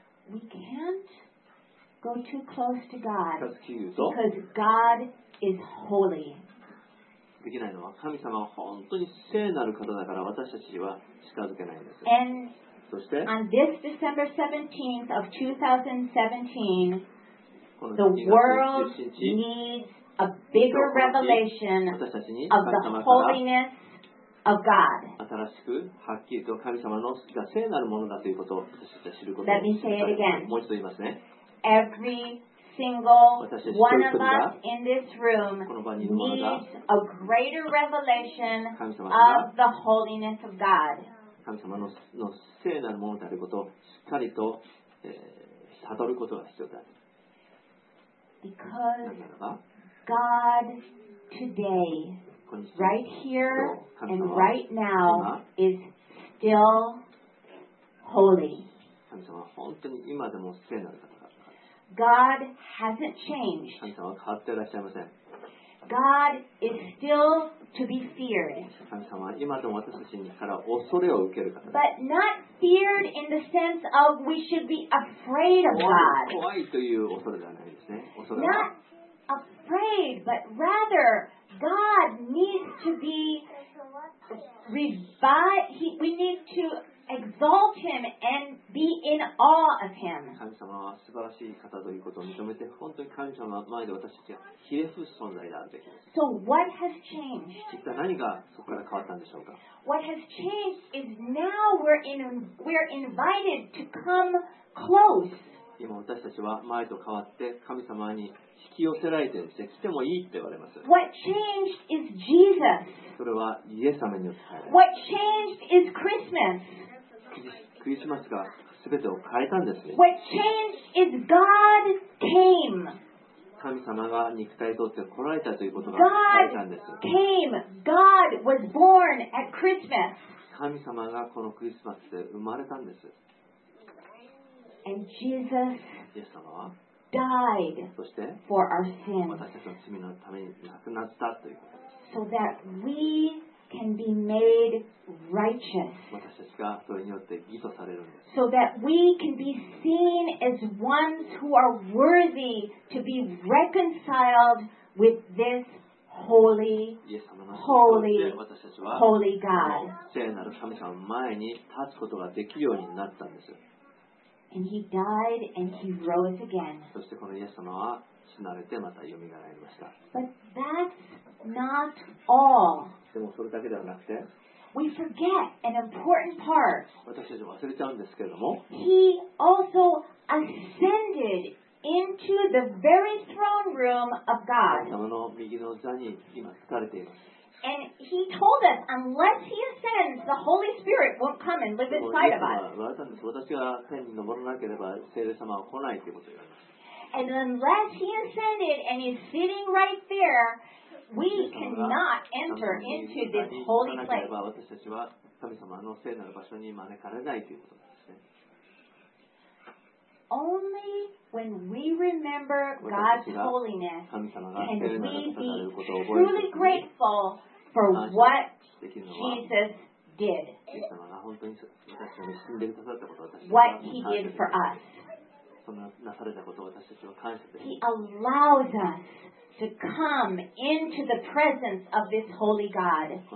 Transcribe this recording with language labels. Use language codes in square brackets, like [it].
[en] We can't go too close to God because God is holy. [ja] できないのは神様は本当に聖なる方だから私たちは近づけないんです。 [en] And [ja] そして [en] on this December 17th of 2017, the world needs a bigger revelation of the holiness. Of God. [ja] 新しくはっきりと神様の好きが聖なるものだということを私たちは知ることです。 [en] Let me say it again. [ja] もう一度言いますね。 [en] every single one of us in this room needs a greater revelation of the holiness of God. [ja] 神様の聖なるものであることをしっかりと、悟ることが必要である。 [en] Because God today, right here and right now, is still holy. [ja] 神様は本当に今でも聖なる方だ。 [en] God hasn't changed. [ja] 神様は変わっていらっしゃいません。 [en] God is still to be feared. [ja] 神様は今でも私たちから恐れを受ける方だ。 [en] But not feared in the sense of we should be afraid of God. [ja] 怖いという恐れではないですね。恐れ。 [en] Not afraid, but rather God needs to be revived. We need to exalt Him and be in awe of Him. [ja] 神様は素晴らしい方ということを認めて、本当に神様の前で私たちはひれ伏す存在であるべきです。 [en] So what has changed? [ja] 実は何がそこから変わったんでしょうか。 [en] What has changed is now we're invited to come close. [ja] 今私たちは前と変わって神様に引き寄せられてですね、来てもいいって言われます。 [en] What changed is Jesus. [ja] それはイエス様によって変わる。 [en] What changed is Christmas. [ja] クリスマスが全てを変えたんです。 [en] What changed is God came. [ja] 神様が肉体を通って来られたということが変えたんです。 [en] God came. God was born at Christmas. [ja] 神様がこのクリスマスで生まれたんです。 [en] And Jesus died. [ja] そして、 [en] for our sins. [ja] 私たちの罪のために亡くなったということです。 [en] So that we can be made righteous. So that we can be seen as ones who are worthy to be reconciled with this holy, holy, holy God. [ja] 聖なる神様の前に立つことができるようになったんです。 [en] And he died and he rose again. [ja] そしてこのイエス様は死なれてまた蘇りました。 [en] But that's not all. [ja] でもそれだけではなくて、 [en] We forget an important part. [ja] 私たちも忘れちゃうんですけれども、 [en] He also ascended into the very throne room of God. [ja] 神様の右の座に今立たれています。 [en] And He told us, unless He ascends, the Holy Spirit won't come and live inside of us. [ja] 言われたんです。私が天に昇らなければ聖霊様は来ないということを言われます。 [en] And unless He ascended and is sitting right there. We cannot enter into this holy place. [ja] 私たちは神様の聖なる場所に招かれないということですね。 [en] Only when we remember God's holiness can we be truly grateful for what Jesus did. [ja] 神様が本当に私たちに死んでくださったことを私たちは [en] What He did for us. [ja] そのなされたことを私たちは感謝です。 [en] He allows us. To come into the presence of this holy God.